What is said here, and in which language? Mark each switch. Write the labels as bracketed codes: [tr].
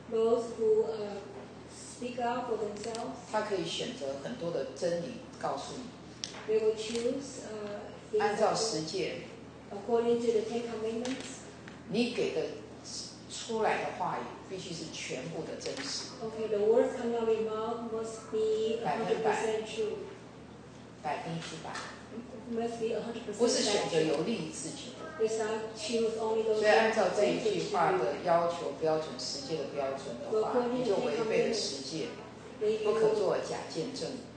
[en] Those who speak out for themselves. [zh] 他可以选择很多的真理告诉你。 [en] They will choose. [zh] 按照十诫 [en] ，According to the Ten Commandments， [zh] 你给的出来的话语必须是全部的真实。 [en] Okay, the words coming out of your mouth must be 100% true. [zh] 百分之百。 [en] Must be 100%. [zh] 不是选择有利于自己的。 [en] It's not choose only those. [zh] 所以按照这一句话的要求标准，十诫的标准的话，你就违背了十诫，不可做假见证。